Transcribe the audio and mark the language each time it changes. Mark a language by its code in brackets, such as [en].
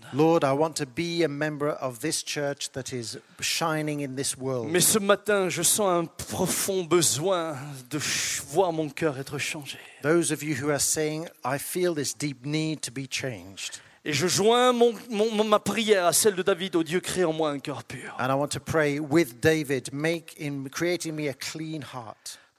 [en] Lord, I want to be a member of this church that is shining in this world. [fr] Mais ce matin, je sens un profond besoin de voir mon cœur être changé. [en] Those of you who are saying, I feel this deep need to be changed. [fr] Et je joins ma prière à celle de David, au Dieu, crée en moi un cœur pur. [en] And I want to pray with David, creating me a clean heart.